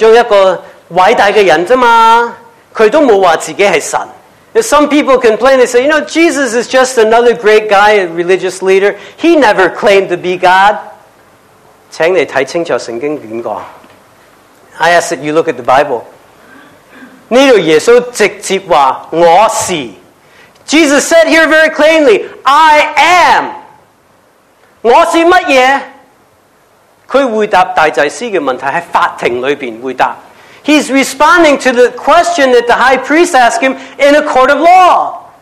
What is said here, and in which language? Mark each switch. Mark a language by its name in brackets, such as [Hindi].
[Chinese] 有人说,耶稣只不过是一个这么多个宗教其中一个伟大的人而已。他都没有说自己是神。 [English] Some people complain, they say, "You know, Jesus is just another great guy, a religious leader. He never claimed to be God." [Chinese] 请你看清楚圣经原话。 [English] I ask that you look at the Bible. [Chinese] 这里耶稣直接说,我是。 [English] Jesus said here very plainly, "I am." [Chinese] 我是什么? 他回答大祭司的问题,在法庭里面回答。 [English] He's responding to the question that the high priest asked him in a court of law.